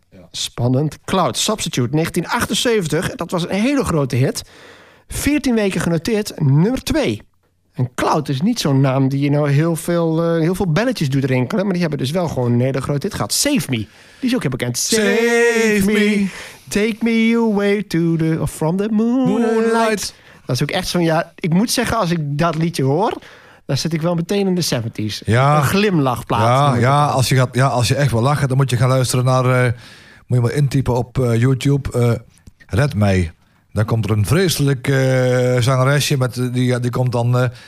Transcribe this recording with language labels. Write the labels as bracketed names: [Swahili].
[Dutch] Spannend. Cloud Substitute 1978. Dat was een hele grote hit. 14 weken genoteerd, nummer 2. En Cloud is niet zo'n naam die je nou heel veel belletjes doet rinkelen. Maar die hebben dus wel gewoon een hele grote hit gehad. Save Me. Die is ook heel bekend. [English] Save me. Take me away to the from the moonlight. [Dutch] Dat is ook echt zo'n jaar. Ik moet zeggen, als ik dat liedje hoor, dan zit ik wel meteen in de 70s. Ja. Een glimlachplaat. Als je echt wil lachen, dan moet je gaan luisteren naar... moet je maar intypen op YouTube. Red mij. Dan komt er een vreselijk zangeresje met die komt dan...